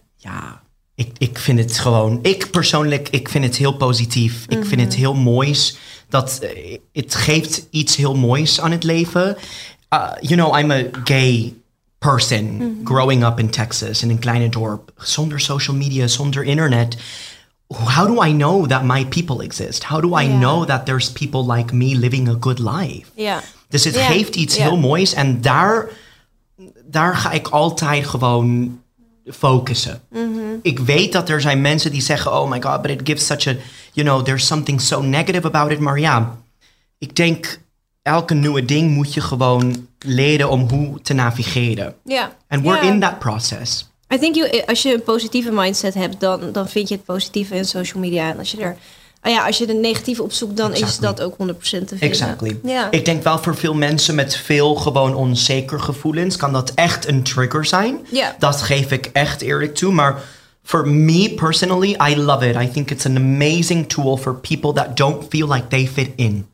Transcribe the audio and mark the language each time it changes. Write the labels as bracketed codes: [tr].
[nl] Ja, ik vind het gewoon... Ik persoonlijk, ik vind het heel positief. Mm-hmm. Ik vind het heel moois. Dat het geeft iets heel moois aan het leven. [en] You know, I'm a gay person. Mm-hmm. Growing up in Texas, [nl] in een kleine dorp. Zonder social media, zonder internet... [en] How do I know that my people exist? How do I know that there's people like me living a good life? Yeah. [nl] Dus het geeft iets heel moois. En daar ga ik altijd gewoon focussen. Mm-hmm. Ik weet dat er zijn mensen die zeggen, [en] oh my god, but it gives such a, you know, there's something so negative about it. [nl] Maar ja, ik denk, elke nieuwe ding moet je gewoon leren om hoe te navigeren. Ja. [en] And we're in that process. I think [nl] als je een positieve mindset hebt, dan vind je het positieve in social media. En als je er, als je de negatieve opzoekt, dan is dat ook 100% te vinden. [en] Exactly. Ja. [nl] Ik denk wel voor veel mensen met veel gewoon onzeker gevoelens, kan dat echt een trigger zijn. Ja. Dat geef ik echt eerlijk toe. [en] Maar for me personally, I love it. I think it's an amazing tool for people that don't feel like they fit in.